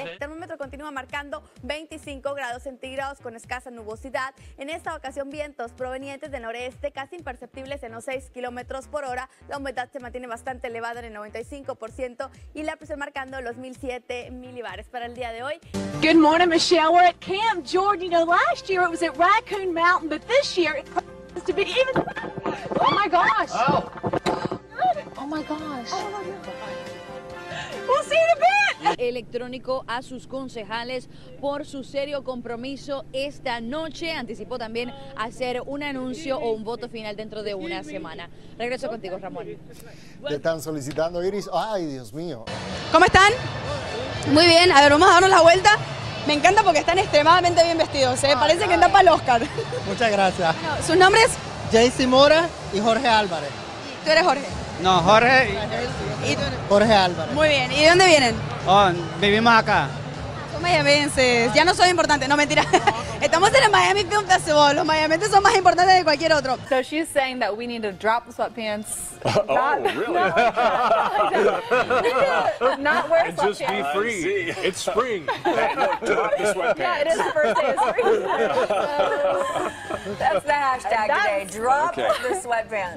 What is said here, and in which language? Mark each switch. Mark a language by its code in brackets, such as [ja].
[es] Termómetro continúa marcando 25 grados centígrados con escasa nubosidad. En esta ocasión, vientos provenientes de noreste, casi imperceptibles en los 6 kilómetros por hora. La humedad se mantiene bastante elevada en el 95% y la presión marcando los 1,007 milibares para el día de hoy. [en] Good morning, Michelle. We're at Camp Jordan. You know, last year it was at Raccoon Mountain, but this year it promises to be even... Oh, my gosh! Oh, oh my gosh! Oh, my God. We'll see you in a bit. [es] Electrónico a sus concejales por su serio compromiso esta noche. Anticipó también hacer un anuncio o un voto final dentro de una semana. Regreso contigo, Ramón. Te están solicitando, Iris. Ay, Dios mío. ¿Cómo están? Muy bien. A ver, vamos a darnos la vuelta. Me encanta porque están extremadamente bien vestidos. ¿Eh? Parece que anda para el Oscar. Muchas gracias. Bueno, ¿sus nombres? JC Mora y Jorge Álvarez. ¿Tú eres Jorge? No, Jorge. Jorge Álvarez. Muy bien. ¿Y de dónde vienen? Oh, vivimos acá. Toma ya vences. Ya no soy importante. No, mentira. Estamos en el Miami Film Festival. Los miamientes son más importantes de cualquier otro. [en] So she's saying that we need to drop the sweatpants. Oh, not, really? No, not wear sweatpants. Just be free. It's spring. Yeah, it is the first day of spring. That's the hashtag today. Drop the sweatpants.